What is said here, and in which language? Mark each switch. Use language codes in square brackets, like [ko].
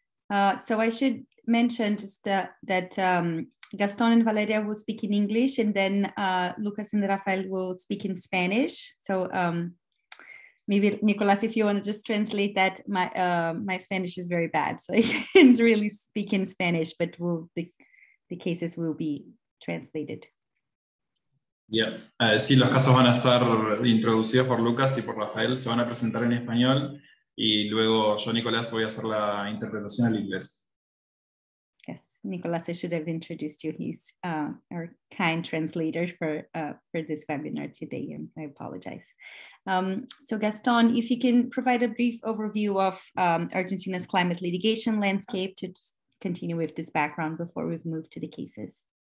[en] So I should mention just that Gaston and Valeria will speak in English, and then Lucas and Rafael will speak in Spanish. So maybe, Nicolas, if you want to just translate that, my Spanish is very bad, so I can't really speak in Spanish, but the cases will be translated. [es] Yeah, sí, los casos van a estar introducidos por Lucas y por Rafael, se van a presentar en español, y luego yo, Nicolas, voy a hacer la interpretación al inglés. [en] Yes, Nicolas, I should have introduced you. He's our kind translator for this webinar today, and I apologize. So Gaston, if you can provide a brief overview of Argentina's climate litigation landscape to continue with this background before we've moved to the cases.